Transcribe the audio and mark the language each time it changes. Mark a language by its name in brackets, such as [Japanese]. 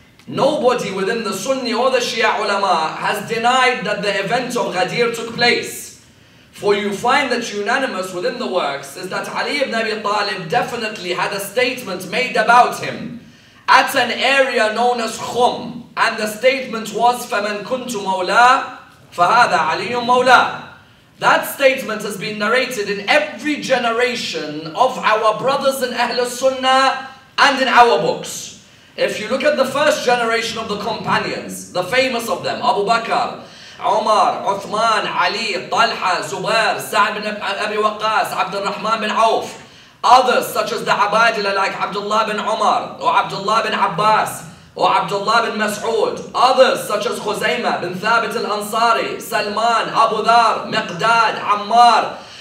[English] Nobody within the Sunni or the Shia ulama has denied that the event of Ghadir took place. For you find that unanimous within the works is that Ali ibn Abi Talib definitely had a statement made about him at an area known as Khum. And the statement was, [Arabic] فَمَنْ كُنْتُ مَوْلَىٰ فَهَذَا عَلِيٌّ مَوْلَىٰ. [English] That statement has been narrated in every generation of our brothers in Ahl al-Sunnah and in our books. If you look at the first generation of the companions, the famous of them, Abu Bakr, Umar, Uthman, Ali, Talha, Zubair, Sa'd ibn Abi Waqqas, Abdul Rahman bin Auf, others such as the Abadila like Abdullah bin Umar or Abdullah bin Abbas, or Abdullah bin Mas'ud, others such as Khuzaymah bin Thabit al-Ansari, Salman, Abu Dhar, Miqdad, Ammar.